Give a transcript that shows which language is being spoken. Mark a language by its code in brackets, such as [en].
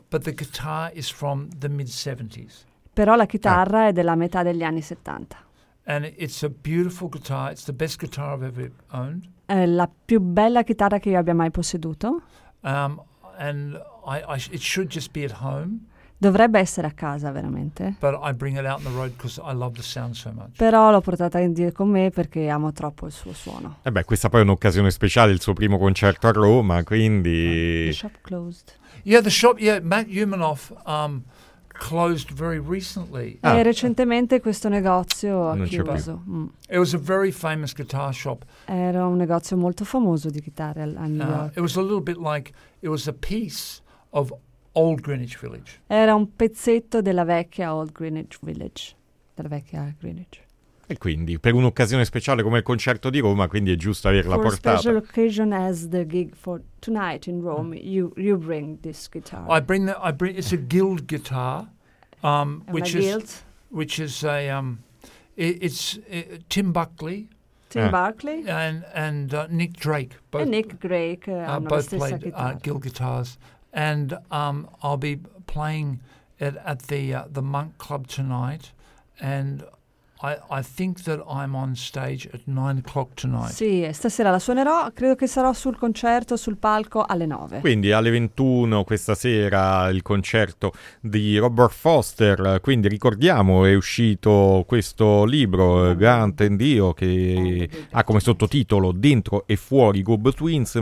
[en] But the guitar is from the mid 70s. [it] Però la chitarra è della metà degli anni 70. [en] And it's a beautiful guitar. It's the best guitar I've ever owned. [it] È la più bella chitarra che io abbia mai posseduto. [en] It should just be at home. [it] Dovrebbe essere a casa, veramente. [en] But I bring it out on the road because I love the sound so much. [it] Però l'ho portata in giro con me perché amo troppo il suo suono. E beh, questa poi è un'occasione speciale, il suo primo concerto a Roma, quindi. [en] The shop closed. Yeah, the shop. Yeah, Matt Yumanoff closed very recently. [it] E recentemente questo negozio ha chiuso. [en] It was a very famous guitar shop. [it] Era un negozio molto famoso di chitarre a New York. [en] It was a little bit like it was a piece of Old Greenwich Village. [it] Era un pezzetto della vecchia Old Greenwich Village, della vecchia Greenwich. E quindi, per un'occasione speciale come il concerto di Roma, quindi è giusto averla [en] for [it] portata. [en] For a special occasion as the gig for tonight in Rome, you bring this guitar. I bring it's a Guild guitar, which is Guild. Which is a it's Tim Buckley. Barkley and Nick Drake. Both, and Nick Drake both played Guild guitars. And I'll be playing it at the Monk Club tonight, and I think that I'm on stage at 9 o'clock tonight. [it] Sì, stasera la suonerò. Credo che sarò sul concerto, sul palco alle 9. Quindi alle 21 questa sera il concerto di Robert Foster. Quindi ricordiamo, è uscito questo libro, Grant and Dio, che ha come sottotitolo Dentro e Fuori Go-Betweens.